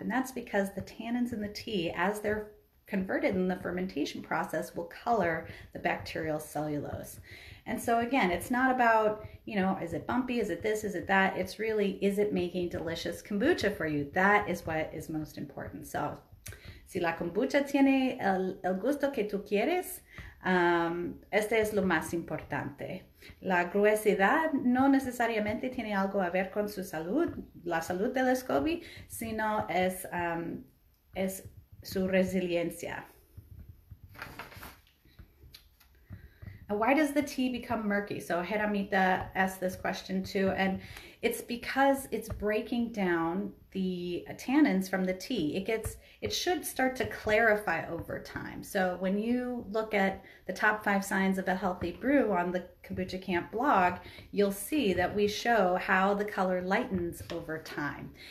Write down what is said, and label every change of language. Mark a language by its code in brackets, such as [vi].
[en] And that's because the tannins in the tea, as they're converted in the fermentation process, will color the bacterial cellulose. And so again, it's not about, you know, is it bumpy? Is it this? Is it that? It's really, is it making delicious kombucha for you? That is what is most important. [es] So si la kombucha tiene el gusto que tú quieres, este es lo más importante. La gruesidad no necesariamente tiene algo a ver con su salud, la salud del SCOBY, sino es su resiliencia. [en] Now, why does the tea become murky? So Jeramita asked this question too, and it's because it's breaking down the tannins from the tea. It should start to clarify over time. So when you look at the top 5 signs of a healthy brew on the Kombucha Kamp blog, you'll see that we show how the color lightens over time.